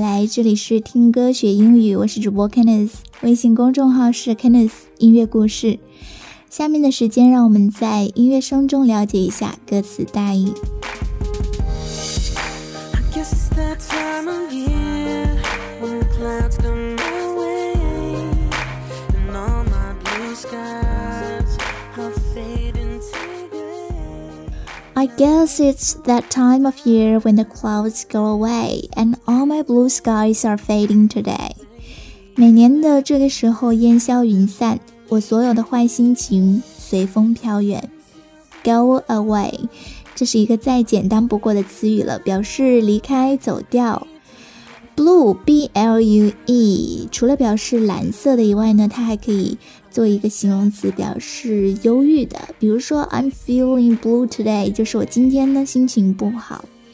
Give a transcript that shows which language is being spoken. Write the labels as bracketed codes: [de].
[zh] 这里是听歌学英语，我是主播 Kenneth， 微信公众号是 Kenneth 音乐故事。下面的时间让我们在音乐声中了解一下歌词大意。 [en] I guess it's that time of year when the clouds come my way and all my blue skies have faded into gray. I guess it's that time of year when the clouds go away andAll my blue skies are fading today. [zh] 每年的这个时候烟消云散，我所有的坏心情随风飘远。 [en] Go away， [zh] 这是一个再简单不过的词语了，表示离开走掉。 blue, B-L-U-E, 除了表示蓝色的以外呢，它还可以做一个形容词表示忧郁的，比如说 [en] I'm feeling blue today, [zh] 就是我今天呢心情不好。